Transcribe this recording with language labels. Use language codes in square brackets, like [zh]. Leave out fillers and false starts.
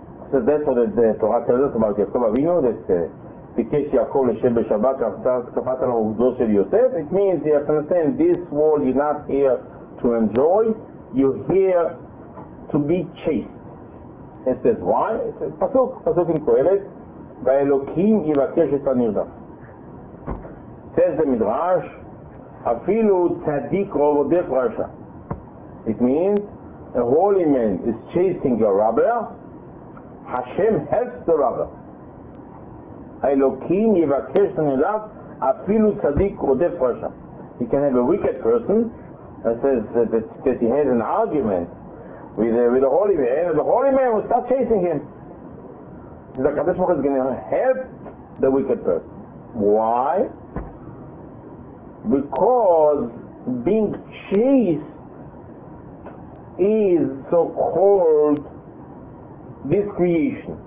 [en] So that's what the Torah tells us about Yaakov Avinu, that the case Yaakov Hashem B'Shabbat after Kapatan of Dosh El Yosef. It means you have to understand this world you're not here to enjoy, you're here to be chased. It says why? It says Pasuk in Kohelet. [he] והאלוקים יבקש את הנרדף. [en] Says the Midrash, [he] אפילו צדיק רודף רשע. [en] It means, a holy man is chasing your robber, Hashem helps the robber. [he] האלוקים יבקש את הנרדף, אפילו צדיק רודף רשע. [en] You can have a wicked person that says that he had an argument with a holy man, and the holy man will start chasing him. The Kadosh Baruch Hu is going to help the wicked person. Why? Because being chased is so-called this creation.